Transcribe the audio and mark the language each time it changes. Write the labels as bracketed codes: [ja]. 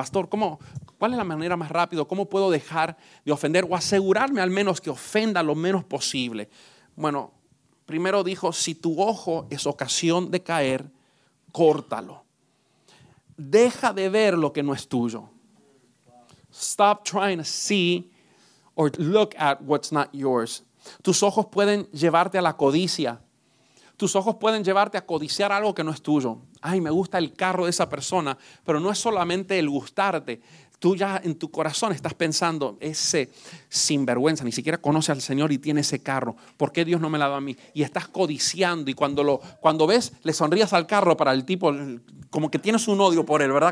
[es] Pastor, ¿cuál es la manera más rápida? ¿Cómo puedo dejar de ofender o asegurarme al menos que ofenda lo menos posible? Bueno, primero dijo, si tu ojo es ocasión de caer, córtalo. Deja de ver lo que no es tuyo. [en] Stop trying to see or look at what's not yours. [es] Tus ojos pueden llevarte a la codicia. Tus ojos pueden llevarte a codiciar algo que no es tuyo. Ay, me gusta el carro de esa persona, pero no es solamente el gustarte. Tú ya en tu corazón estás pensando, ese sinvergüenza, ni siquiera conoce al Señor y tiene ese carro. ¿Por qué Dios no me lo ha dado a mí? Y estás codiciando y cuando ves, le sonrías al carro para el tipo, como que tienes un odio por él, ¿verdad?